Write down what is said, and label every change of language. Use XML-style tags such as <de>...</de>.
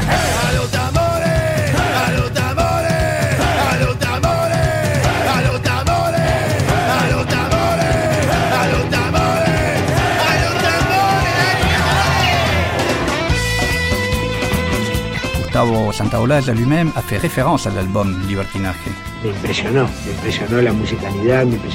<es>Hey. A los tambores, hey. A los tambores, hey. A los tambores, hey. A los tambores, hey. A los tambores, hey. A los tambores, hey. A los tambores.</es> <fr>Gustavo Santaolalla lui-même a fait référence à l'album Libertinaje.</fr> <es>Me impresionó la musicalidad.</es>